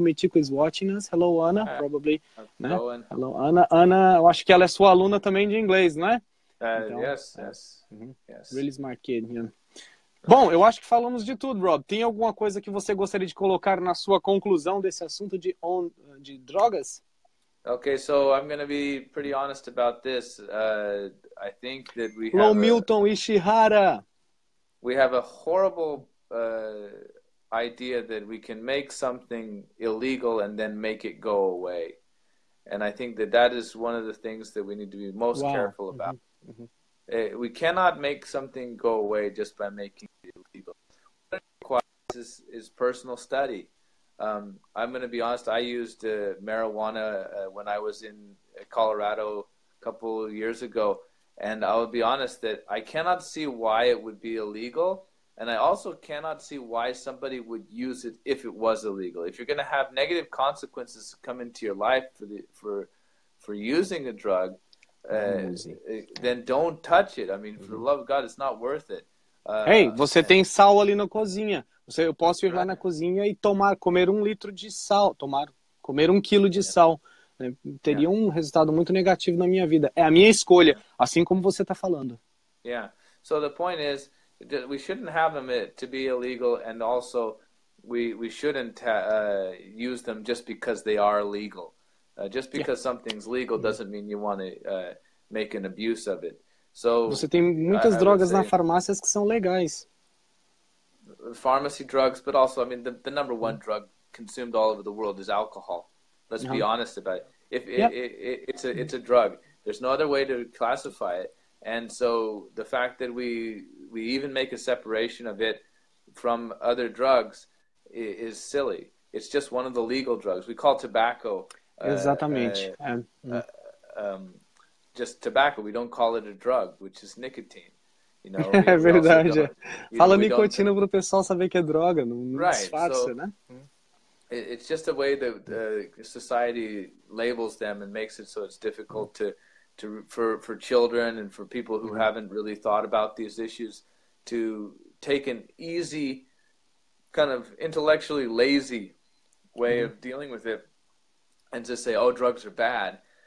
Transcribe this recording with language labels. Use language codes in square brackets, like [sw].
[en] Mitico is watching us. Hello, Ana. Probably. Né? Hello, Ana. [pt] Ana, eu acho que ela é sua aluna também de inglês, né? Então, yes. [en] Yes. Really smart kid, yeah. [pt] Bom, eu acho que falamos de tudo, Rob. Tem alguma coisa que você gostaria de colocar na sua conclusão desse assunto de drogas? [en] Okay, so I'm going to be pretty honest about this. I think that we have Milton Ishihara. We have a horrible idea that we can make something illegal and then make it go away. And I think that is one of the things that we need to be most careful about. We cannot make something go away just by making it illegal. What it requires is personal study. I'm going to be honest, I used marijuana when I was in Colorado a couple of years ago, and I will be honest that I cannot see why it would be illegal, and I also cannot see why somebody would use it if it was illegal. If you're going to have negative consequences come into your life for using a drug, then don't touch it. I mean, for the love of God, it's not worth it. [pt] Hey, você tem sal ali na cozinha. Eu posso ir lá na cozinha e comer um litro de sal, comer um quilo de sal. Né? Teria um resultado muito negativo na minha vida. É a minha escolha, assim como você está falando. [en] Yeah. So the point is that we shouldn't have them to be illegal, and also we shouldn't use them just because they are legal. Just because something's legal doesn't mean you want to make an abuse of it. So [pt] você tem muitas drogas na farmácia que são legais. [en] Pharmacy drugs, but also, I mean, the number one drug consumed all over the world is alcohol. Let's be honest about it. It's a drug. There's no other way to classify it. And so the fact that we even make a separation of it from other drugs is silly. It's just one of the legal drugs. We call tobacco. [pt] Exatamente. [en] Just tobacco. We don't call it a drug, which is nicotine. [pt] É verdade. Fala nicotina para o pessoal saber que é droga, não disfarça, [en] so, [pt] né? [en] It's just a way that the society labels them and makes it so it's difficult for children and for people who haven't really thought about these issues to take an easy, kind of intellectually lazy way of dealing with it and just say, oh, drugs are bad.